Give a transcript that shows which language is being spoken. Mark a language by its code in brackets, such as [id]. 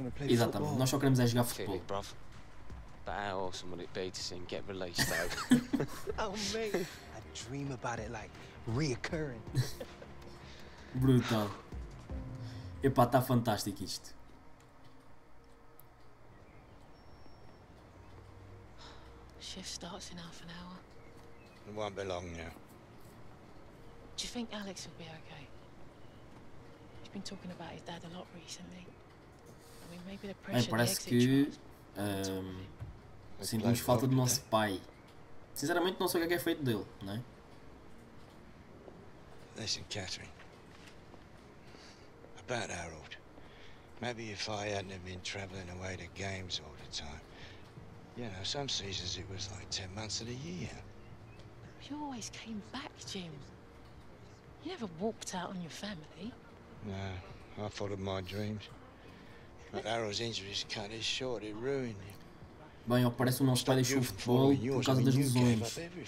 [pt] Exatamente, nós só queremos é jogar futebol. [en] But how awesome would it be to see him get released though? Oh mate, I dream about it like reoccurring. [pt] Brutal. Epá, está fantástico isto. [en] Shift starts in half an hour. It won't be long now. Do you think Alex will be okay? He's been talking about his dad a lot recently. I mean, maybe the pressure. [pt] Parece que sentimos falta do nosso pai. Sinceramente, não sei o que é feito dele, não é? [en] Listen, Catherine. About Harold. Maybe if I hadn't have been travelling away to games all the time. You know, some seasons it was like 10 months of the year. You always came back, Jim. You never walked out on your family. No, I followed my dreams. But Harold's injuries cut it short, it ruined him. [pt] Bem, parece que o nosso pai deixou o futebol por causa das lesões.